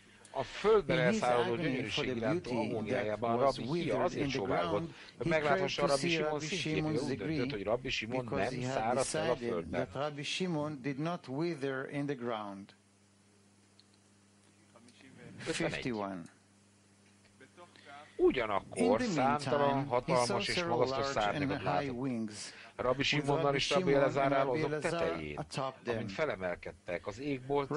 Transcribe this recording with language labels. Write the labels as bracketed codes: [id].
[hu] A földbe elszálló gyönyörűség iránt agóniájában Rabbi Hiya azért csóválgott, hogy megláthassa Rabbi Simon szintjéből, úgy döntött, hogy Rabbi Simon nem száradt el a földbe. [en] Rabbi Simon did not wither in the ground. [hu] 51. Ugyanakkor számtalan, hatalmas és magasztos szárnyakat látott. Rabbi Simonnal és Rabbi Elazarral azok tetején, amint felemelkedtek az égbolt